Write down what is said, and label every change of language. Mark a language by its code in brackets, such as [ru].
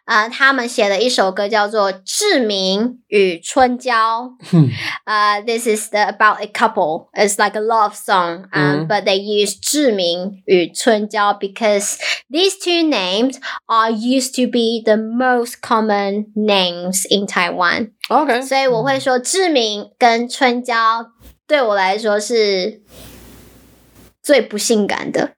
[zh] 他们写的一首歌叫做《志明与春娇》。 [en] This is the, about a couple. It's like a love song, but they use 志明与春娇 because these two names are used to be the most common names in Taiwan. Okay. [zh] 所以我会说志明跟春娇对我来说是最不性感的。